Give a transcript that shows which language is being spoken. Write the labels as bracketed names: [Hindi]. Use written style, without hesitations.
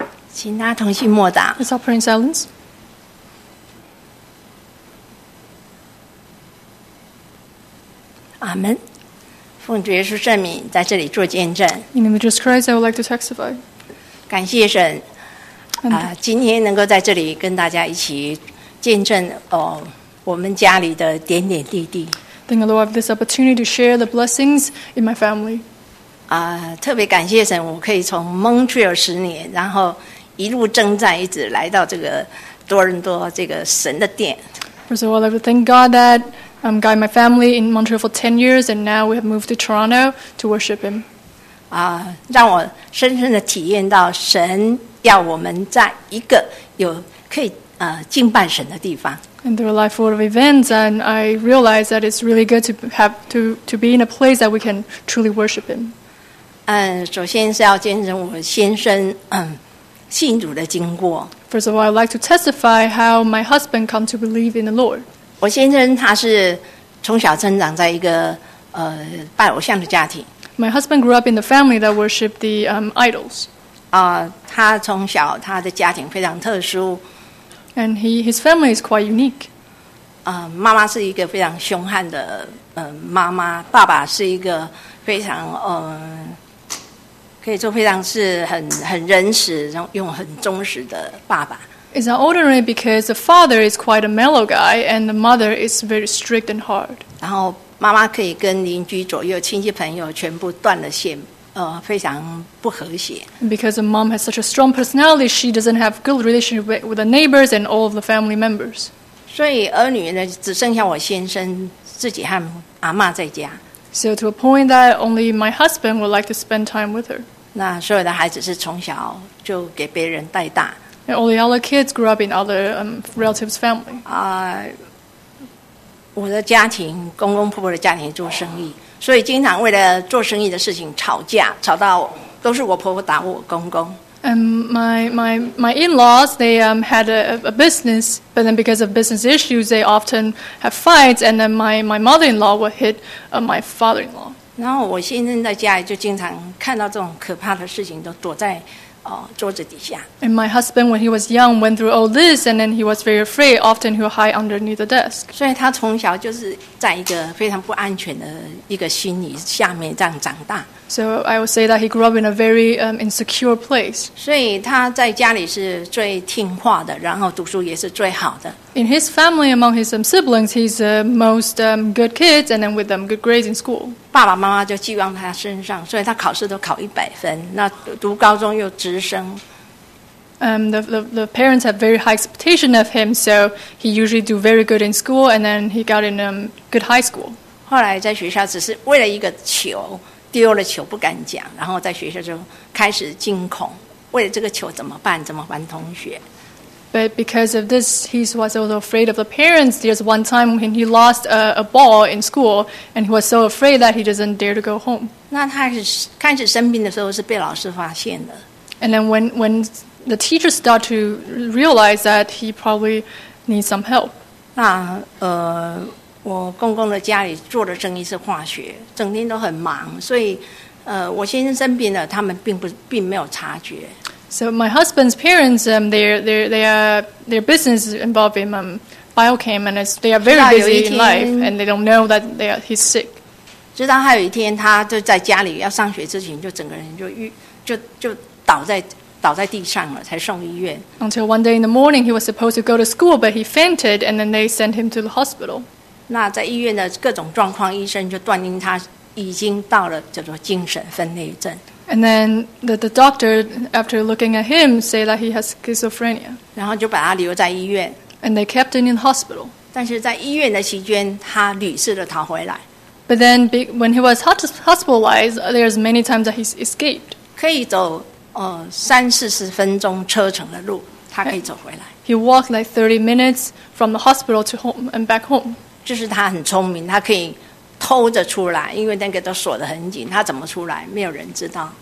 [Chinese] 请大家同心默祷。 [English] Let's all pray in silence。 [Chinese] 阿门。奉主耶稣圣名，在这里做见证。 [English] In the name of Jesus Christ, I would like to testify。 [Chinese] 感谢神，今天能够在这里跟大家一起见证我们家里的点点滴滴。 [English] Thank the Lord for this opportunity to share the blessings in my family。 [Chinese] 特别感谢神，我可以从 Montreal 十年，然后一路征战，一直来到这个多伦多这个神的殿。 [English] First of all, I would thank God that guide my family in Montreal for 10 years, and now we have moved to Toronto to worship Him。 [Chinese] 让我深深的体验到神要我们在一个有可以敬拜神的地方。 [English] And through a life full of events, and I realize that it's really good to be in a place that we can truly worship Him. [Chinese] 首先是要见证我先生信主的经过。 [English] First of all, I'd like to testify how my husband come to believe in the Lord. [Chinese] 我先生他是从小成长在一个拜偶像的家庭。 [English] My husband grew up in the family that worshipped the idols. [Chinese] 他从小他的家庭非常特殊。 [English] And his family is quite unique. [Chinese] 妈妈是一个非常凶悍的妈妈，爸爸是一个非常可以说非常是很仁慈，用很忠实的爸爸。 [English] It's not ordinary because the father is quite a mellow guy, and the mother is very strict and hard. [Chinese] 然后妈妈可以跟邻居左右亲戚朋友全部断了线。非常不和谐。 [English] Because a mom has such a strong personality, she doesn't have good relationship with the neighbors and all of the family members. [Chinese] 所以儿女呢，只剩下我先生自己和阿嬷在家。 [English] So to a point that only my husband would like to spend time with her. [Chinese] 那所有的孩子是从小就给别人带大。 [English] And all the other kids grew up in other relatives' family. [Chinese] 我的家庭，公公婆婆的家庭做生意。所以经常为了做生意的事情吵架，吵到都是我婆婆打我公公。 [English] My in-laws, they had a business, but then because of business issues, they often have fights, and then my mother-in-law would hit my father-in-law. [Chinese] 然后我先生在家里就经常看到这种可怕的事情，都躲在桌子底下。 [English] And my husband, when he was young, went through all this, and then he was very afraid. Often, he would hide underneath the desk. [Chinese] 所以他从小就是在一个非常不安全的一个心理下面这样长大。 [English] So I would say that he grew up in a very insecure place. [Chinese] 所以他在家里是最听话的，然后读书也是最好的。 [English] In his family, among his siblings, he's the most good kid, and then with them good grades in school. [Chinese] 爸爸妈妈就寄望他身上，所以他考试都考100分。那读高中又直升。 [English] The parents have very high expectation of him, so he usually do very good in school, and then he got in good high school. [Chinese] 后来在学校只是为了一个球。丢了球不敢讲，然后在学校就开始惊恐，为了这个球怎么办？怎么玩同学 [English] ？But because of this, he was also afraid of the parents. There's one time when he lost a ball in school, and he was so afraid that he doesn't dare to go home. [Chinese] 那他开始生病的时候是被老师发现的。 [English] And then when the teacher start to realize that he probably needs some help. [Chinese] 那我公公的家里做的生意是化学，整天都很忙，所以我先生生病了，他们并没有察觉。 [English] So my husband's parents, their business involving biochem, and they are very busy in life, and they don't know that he's sick. [Chinese] 直到还有一天，他就在家里要上学之前，就整个人就倒在地上了，才送医院。 [English] Until one day in the morning, he was supposed to go to school, but he fainted, and then they sent him to the hospital. [Chinese] 那在医院的各种状况，医生就断定他已经到了叫做精神分裂症。 [English] And then the doctor, after looking at him, say that he has schizophrenia. [Chinese] 然后就把他留在医院。 [English] And they kept him in hospital. [Chinese] 但是在医院的期间，他屡次的逃回来。 [English] But then when he was hospitalized, there's many times that he escaped. [Chinese] 可以走30-40分钟车程的路，他可以走回来。 [English] He walked like 30 minutes from the hospital to home and back home. [Chinese] 就是他很聪明，他可以偷着出来，因为那个都锁得很紧，他怎么出来，没有人知道。